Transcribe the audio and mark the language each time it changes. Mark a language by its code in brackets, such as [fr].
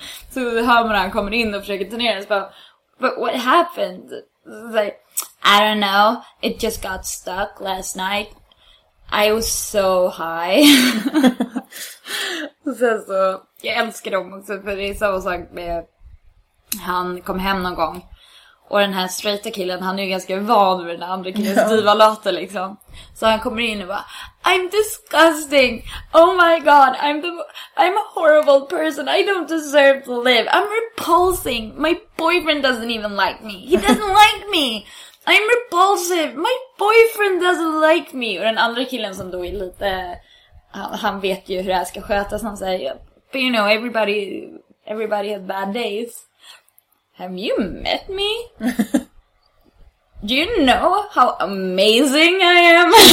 [sv] Så hör man han kommer in och försöker ta ner den. [en] Så but what happened? Like, I don't know, it just got stuck last night. I was so high. [sv] Så jag älskar dem också, för det är samma sak med han kom hem någon gång. Och den här straighta killen, han är ju ganska van vid den andra killen, stiva later liksom. Så han kommer in och bara, [en] I'm disgusting. Oh my god, I'm a horrible person. I don't deserve to live. I'm repulsing. My boyfriend doesn't even like me. He doesn't like me. I'm repulsive. My boyfriend doesn't like me. [sv] Och den andra killen som då är lite, han vet ju hur det här ska skötas. Han säger, [en] but you know, everybody has bad days. Have you met me? Do you know how amazing I am?